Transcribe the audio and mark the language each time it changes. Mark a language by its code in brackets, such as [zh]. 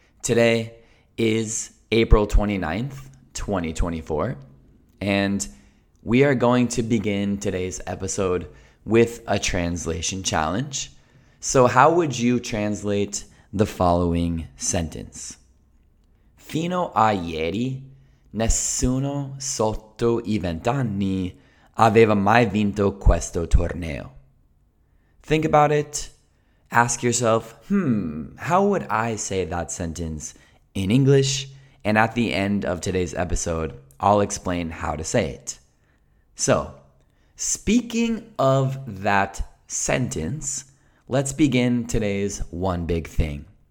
[en] Today is April 29th, 2024, and we are going to begin today's episode with a translation challenge. So how would you translate the following sentence? [it] Fino a ieri, nessuno sotto I vent'anni aveva mai vinto questo torneo. [en] Think about it. Ask yourself, how would I say that sentence in English? And at the end of today's episode, I'll explain how to say it. So, speaking of that sentence, let's begin today's one big thing.